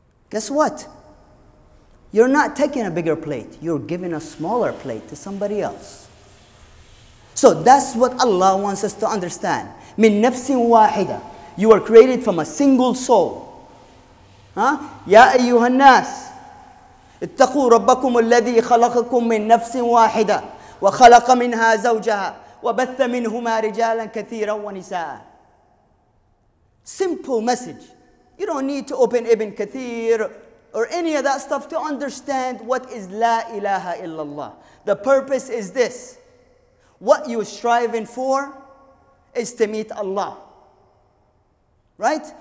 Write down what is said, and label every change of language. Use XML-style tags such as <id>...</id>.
<en>Guess what? You're not taking a bigger plate. You're giving a smaller plate to somebody else. So that's what Allah wants us to understand.</en> <ar>Min nafsin wahida.</ar> <en>You are created from a single soul. Huh?</en> <ar>Ya ayyuha nas. اتقوا ربكم الذي خلقكم من نفس واحدة وخلق منها زوجها وبث منهما رجالا كثيرا ونساء.</ar> <en>Simple message. You don't need to open Ibn Kathir or any of that stuff to understand what is</en> <ar>لا إله إلا الله.</ar> <en>The purpose is this. What you're striving for is to meet Allah. Right?</en>